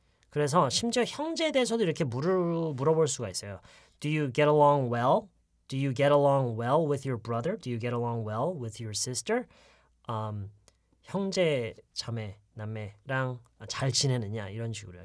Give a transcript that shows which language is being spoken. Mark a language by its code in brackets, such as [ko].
[ko] 그래서 심지어 형제에 대해서도 이렇게 물어볼 수가 있어요. [en] Do you get along well? Do you get along well with your brother? Do you get along well with your sister? [ko] 형제, 자매, 남매랑 잘 지내느냐 이런 식으로요.